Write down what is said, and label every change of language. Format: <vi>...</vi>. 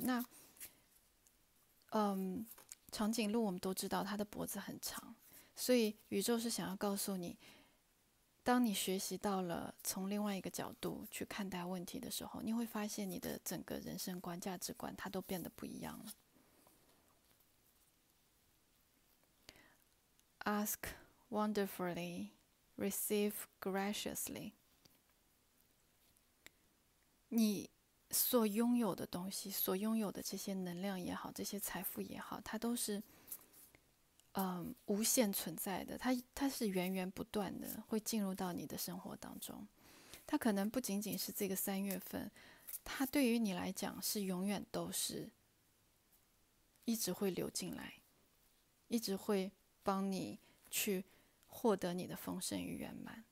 <zh>那长颈鹿我们都知道它的脖子很长，所以宇宙是想要告诉你，当你学习到了从另外一个角度去看待问题的时候，你会发现你的整个人生观、价值观，它都变得不一样了。</zh> <en>Ask wonderfully, receive graciously。</en> <zh>你所拥有的东西，所拥有的这些能量也好，这些财富也好，它都是，无限存在的，它是源源不断的，会进入到你的生活当中。它可能不仅仅是这个三月份，它对于你来讲是永远都是，一直会流进来，一直会帮你去获得你的丰盛与圆满。</zh>